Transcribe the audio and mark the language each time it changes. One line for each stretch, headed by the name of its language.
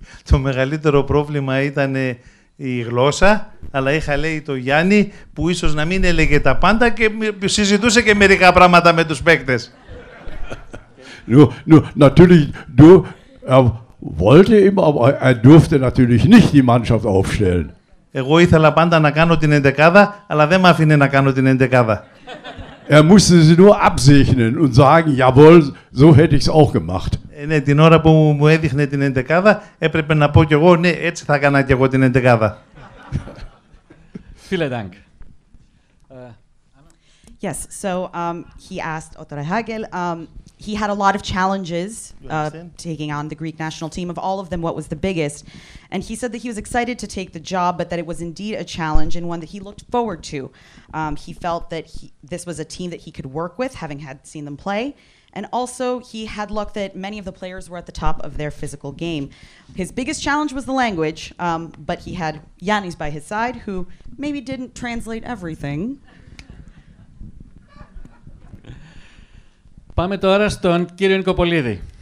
Greek: Το μεγαλύτερο πρόβλημα ήταν η γλώσσα, αλλά είχα λέει το Γιάννη που ίσως να μην έλεγε τα πάντα και συζητούσε και μερικά πράγματα με τους παίκτες.
German: Nur natürlich, er wollte immer, aber er durfte natürlich nicht die Mannschaft aufstellen.
Greek: Εγώ ήθελα πάντα να κάνω την εντεκάδα, αλλά δεν με αφήνει να κάνω την εντεκάδα.
German: Er musste sie nur absegnen und sagen, jawohl, so hätte ich es auch gemacht.
Greek: Ναι, την ώρα που μου έδειχνε την εντεκάδα, έπρεπε να πω κι εγώ, ναι, έτσι θα έκανα κι εγώ την εντεκάδα.
German: Vielen Dank.
English: Yes, so he asked Otto Rehhagel, he had a lot of challenges taking on the Greek national team. Of all of them, what was the biggest? And he said that he was excited to take the job, but that it was indeed a challenge and one that he looked forward to. He felt that this was a team that he could work with, having had seen them play. And also, he had luck that many of the players were at the top of their physical game. His biggest challenge was the language, but he had Yannis by his side, who maybe didn't translate everything.
Greek: Πάμε τώρα στον κύριο Νικοπολίδη.